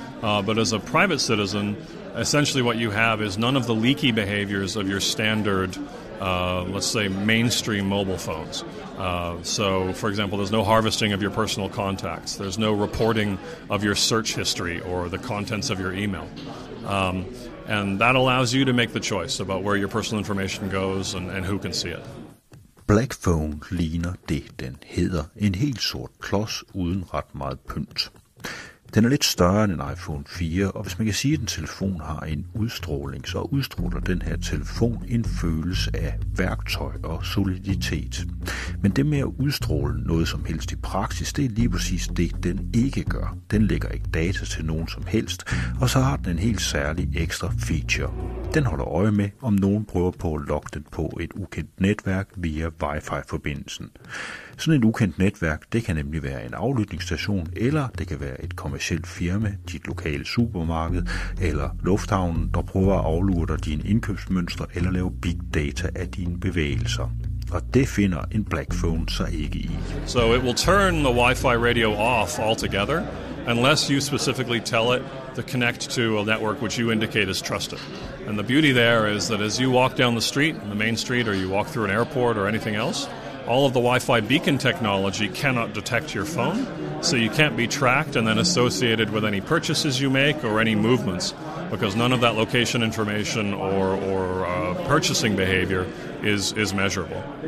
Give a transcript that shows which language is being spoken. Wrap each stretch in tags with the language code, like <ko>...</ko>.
<en>But as a private citizen, essentially what you have is none of the leaky behaviors of your standard, let's say, mainstream mobile phones. So, for example, there's no harvesting of your personal contacts. There's no reporting of your search history or the contents of your email. And that allows you to make the choice about where your personal information goes and who can see it.</en> <da>Blackphone ligner det, den hedder. En helt sort klods uden ret meget pynt. Den er lidt større end en iPhone 4, og hvis man kan sige, at en telefon har en udstråling, så udstråler den her telefon en følelse af værktøj og soliditet. Men det med at udstråle noget som helst i praksis, det er lige præcis det, den ikke gør. Den lægger ikke data til nogen som helst, og så har den en helt særlig ekstra feature. Den holder øje med, om nogen prøver på at logge den på et ukendt netværk via Wi-Fi-forbindelsen. Sådan et ukendt netværk, det kan nemlig være en aflytningsstation, eller det kan være et kommercielt firma, dit lokale supermarked, eller lufthavnen, der prøver at aflure dig dine indkøbsmønstre eller lave big data af dine bevægelser. Og det finder en Blackphone så ikke i.</da> <en>So it will turn the Wi-Fi radio off altogether, unless you specifically tell it to connect to a network which you indicate is trusted. And the beauty there is that as you walk down the street, the main street, or you walk through an airport or anything else, all of the Wi-Fi beacon technology cannot detect your phone, so you can't be tracked and then associated with any purchases you make or any movements, because none of that location information or purchasing behavior is measurable.</en>